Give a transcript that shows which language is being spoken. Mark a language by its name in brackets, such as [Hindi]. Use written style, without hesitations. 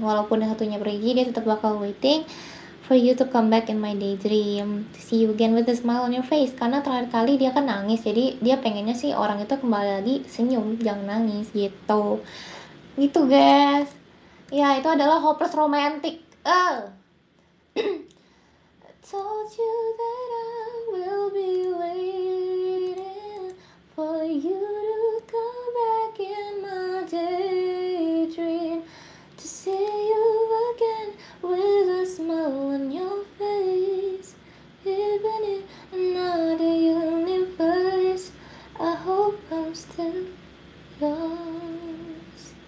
[Indonesian] Walaupun satunya pergi dia tetap bakal [English] waiting for you to come back in my daydream, to see you again with a smile on your face. [Indonesian] Karena terakhir kali dia kan nangis, jadi dia pengennya sih orang itu kembali lagi senyum, jangan nangis gitu. Gitu guys. Ya itu adalah hopeless romantic. [English] I told you that I will be waiting for you to come back in my daydream, to see you again with a smile on your face, even in another universe, I hope I'm still yours.